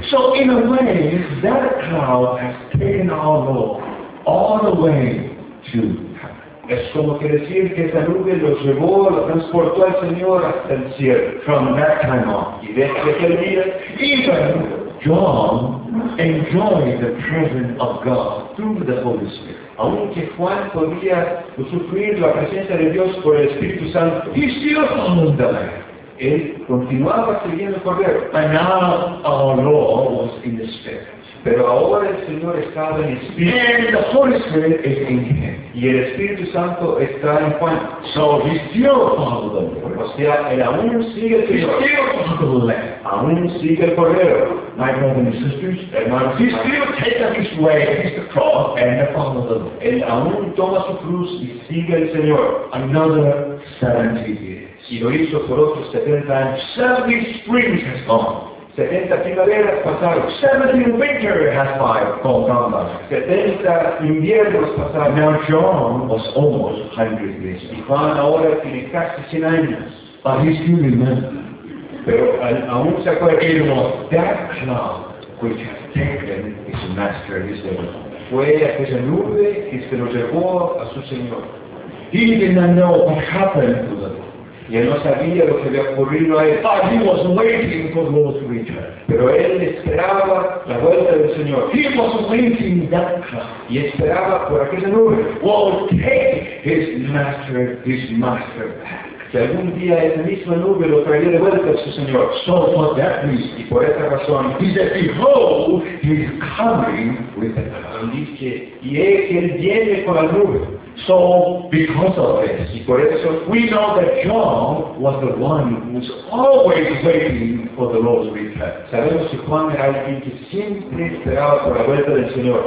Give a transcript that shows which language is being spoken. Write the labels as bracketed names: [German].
[English] So in a way, that cloud has taken our Lord all the way to heaven. [Spanish] Es como que decir que esa nube lo llevó, lo transportó al Señor hasta el cielo. [English] From that time on. [Spanish] Y desde aquel día, [English] even John enjoyed the presence of God through the Holy Spirit. [Spanish] Aunque Juan podía sufrir la presencia de Dios por el Espíritu Santo, [English] he still followed the Lamb. [Spanish] Él continuaba siguiendo el cordero. [English] And now our Lord was in the Spirit. [Spanish] Pero ahora el Señor estaba en el Espíritu. [English] And the Holy Spirit is in him. [Spanish] Y el Espíritu Santo está en Juan. [English] So he still followed the Lord. [Spanish] O sea, él aún sigue el Señor. Aún sigue el cordero. [English] My brothers and sisters, [Spanish] hermanos, [English] he still takes up his way, his cross, and follows the Lord. [Spanish] Él aún toma su cruz y sigue el Señor. [English] Another 70 years. [Spanish] Y lo hizo por otros 70 años. [English] 70 springs has gone. [Spanish] 70 primaveras pasaron. [English] 70 winter has gone. [Spanish] 70 inviernos pasaron. [English] Now John was almost 100 years old. [Spanish] Y Juan ahora tiene casi 100 años. [English] But he still remembers. [Spanish] Pero aún se acuerda, [English] it was that cloud which has taken his master, his devil. [Spanish] Fue aquella nube que se lo llevó a su Señor. [English] He did not know what happened to them. [Spanish] Y él no sabía lo que había ocurrido a él. [English] But he was waiting for the Lord to return. [Spanish] Pero él esperaba la vuelta del Señor. [English] He was waiting that cloud. [Spanish] Y esperaba por aquella nube. [English] Will take his master back. [Spanish] Que algún día esa misma nube lo traería de vuelta a su Señor. [English] So for that reason, [Spanish] y por esa razón, [English] he said, behold, he's coming with the cloud. [Spanish] Y es que él viene con la nube. [English] So because of this, [Spanish] y por eso, [English] we know that John was the one who was always waiting for the Lord's return. [Spanish] Sabemos que Juan era alguien que siempre esperaba por la vuelta del Señor.